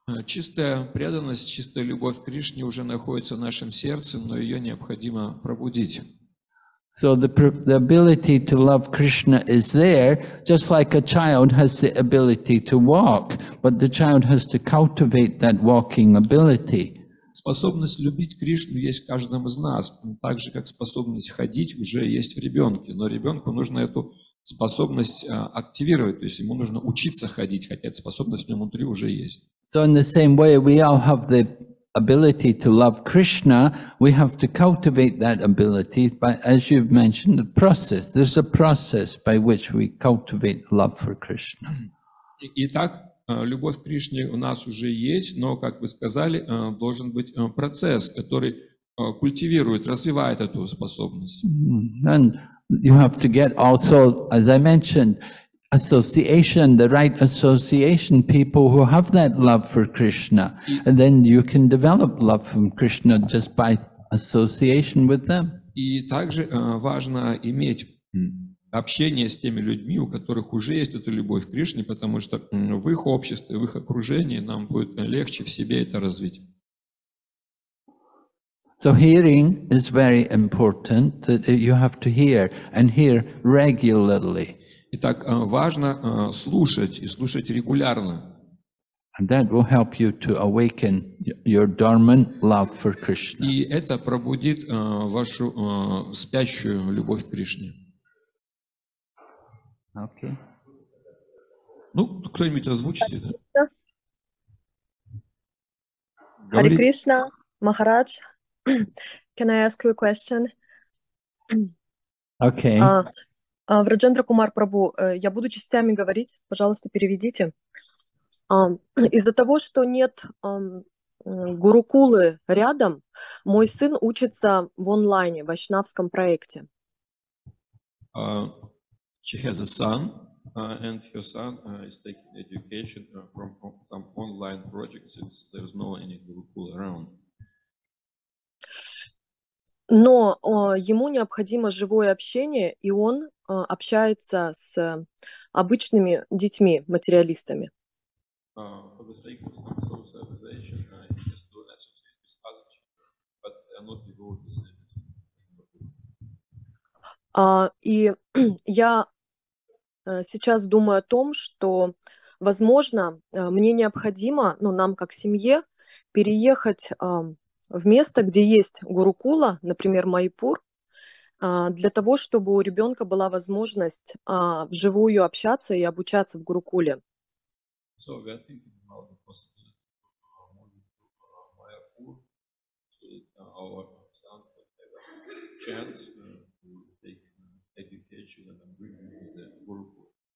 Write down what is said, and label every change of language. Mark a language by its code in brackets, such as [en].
[ru] Чистая преданность, чистая любовь к Кришне уже находится в нашем сердце, но ее необходимо пробудить. [en] So the ability to love Krishna is there, just like a child has the ability to walk, but the child has to cultivate that walking ability. [ru] Способность любить Кришну есть в каждом из нас, так же как способность ходить уже есть в ребенке, но ребенку нужно эту способность активировать, то есть ему нужно учиться ходить, хотя эта способность в нем внутри уже есть. [en] So in the same way, we all have the ability to love Krishna. We have to cultivate that ability, by, as you've mentioned, the process. There's a process by which we cultivate love for Krishna. [ru] Итак, любовь к Кришне у нас уже есть, но, как вы сказали, должен быть процесс, который культивирует, развивает эту способность. [en] And you have to get also, as I mentioned, association, the right association, people who have that love for Krishna, and then you can develop love from Krishna just by association with them. [ru] И также важно иметь общение с теми людьми, у которых уже есть эта любовь к Кришне, потому что в их обществе, в их окружении нам будет легче в себе это развить. [en] So hearing is very important, that you have to hear and hear regularly. [ru] Итак, важно слушать и слушать регулярно. [en] And that will help you to awaken your dormant love for Krishna. [ru] И это пробудит вашу спящую любовь к Кришне. [en] Okay. [ru] Ну, кто-нибудь озвучит это? [en] Hare Krishna, Maharaj. Can I ask you a question? Okay. [ru] Враджендра Кумар Прабу, я буду частями говорить, пожалуйста, переведите. Из-за того, что нет гурукулы рядом, мой сын учится в онлайне, в вайшнавском проекте. [en] She has a son, and her son is taking education from some online project, since there's no any gurukula around. [ru] Но ему необходимо живое общение, и он общается с обычными детьми, материалистами. [en] For the sake of some socialization, he just don't associate with other children, but they are not devotees. [ru] И я сейчас думаю о том, что, возможно, мне необходимо, ну, нам как семье, переехать в место, где есть гурукула, например, Майпур, для того, чтобы у ребенка была возможность вживую общаться и обучаться в гурукуле. [en] So we are thinking about the possibility of moving to Майпур, so that our son could have a chance to take education and bring him to the гурукула.